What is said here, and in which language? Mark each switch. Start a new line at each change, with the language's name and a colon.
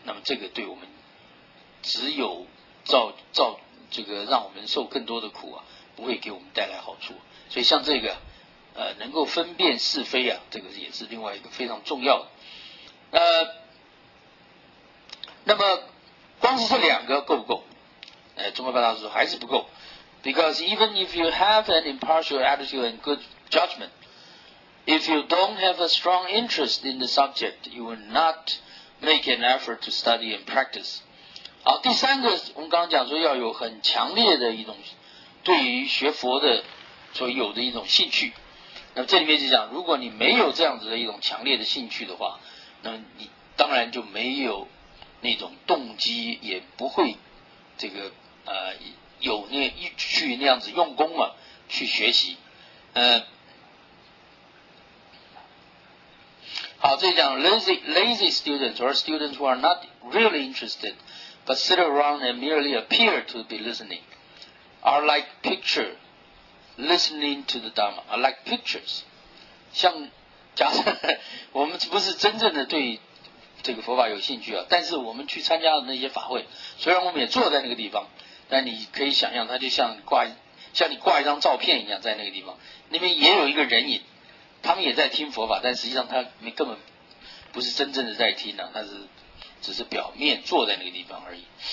Chinese: 那么这个对我们只有造这个让我们受更多的苦啊，不会给我们带来好处。所以像这个能够分辨是非啊，这个也是另外一个非常重要的。那么光是这两个够不够？宗喀巴大师说还是不够。
English: Because even if you have an impartial attitude and good judgment, if you don't have a strong interest in the subject, you will not make an effort to study and practice.
Chinese: 好，第三个我们刚刚讲说要有很强烈的一种对于学佛的所以有的一种兴趣。那这里面就讲，如果你没有这样子的一种强烈的兴趣的话，那你当然就没有那种动机，也不会这个有那一去那样子用功嘛，去学习。好，这里讲
English: lazy students or students who are not really interested but sit around and merely appear to be listening are like picture. Listening to the Dharma, I like pictures.
Chinese: 像假设我们不是真正的对这个佛法有兴趣啊，但是我们去参加的那些法会，虽然我们也坐在那个地方，但你可以想象，它就像你挂一张照片一样，在那个地方，那边也有一个人影，他们也在听佛法，但实际上他们根本不是真正的在听呢、啊，他是只是表面坐在那个地方而已。